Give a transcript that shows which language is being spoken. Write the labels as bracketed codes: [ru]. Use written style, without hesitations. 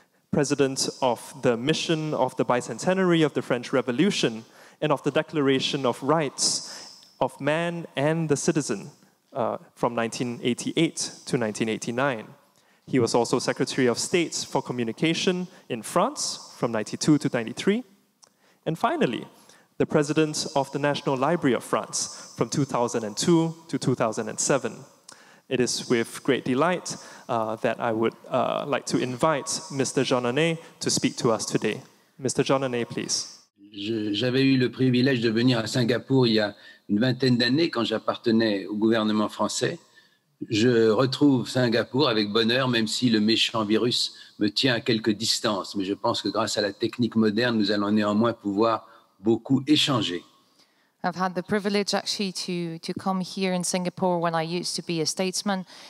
[en] President of the Mission of the Bicentenary of the French Revolution and of the Declaration of Rights of Man and the Citizen from 1988 to 1989. He was also Secretary of State for Communication in France from 92 to 93. And finally, the President of the National Library of France from 2002 to 2007. It is with great delight that I would like to invite Mr. Jeannonet to speak to us today. Mr. Jeannonet, please. [fr] J'avais eu le privilège de venir à Singapour il y a une vingtaine d'années quand j'appartenais au gouvernement français. Je retrouve Singapour avec bonheur, même si le méchant virus me tient à quelques distances. Mais je pense que grâce à la technique moderne, nous allons néanmoins pouvoir beaucoup échanger. [en] I've had the privilege actually to come here in Singapore when I used to be a statesman.